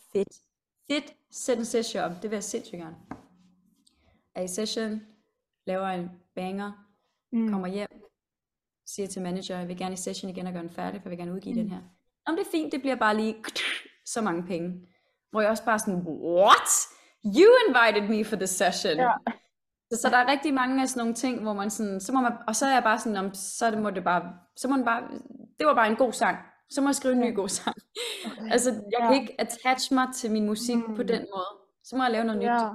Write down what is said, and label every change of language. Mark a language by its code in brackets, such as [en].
[da] Fedt. Fedt. Sæt en session op. Det vil jeg sindssygt gerne. Er i session. Laver en banger. Kommer hjem. Siger til manager, jeg vil gerne i session igen og gøre den færdig, for jeg vil gerne udgive den her. Om det er fint, det bliver bare lige så mange penge. Hvor jeg også bare sådan, [en] what? You invited me for the session. [da] Så der er rigtig mange af sådan nogle ting, hvor man sådan, så må man, og så er jeg bare sådan, om, så må det bare, så må man bare, det var bare en god sang. Så må jeg skrive en ny god sang. Altså, jeg kan ikke attach mig til min musik på den måde. Så må jeg lave noget nyt.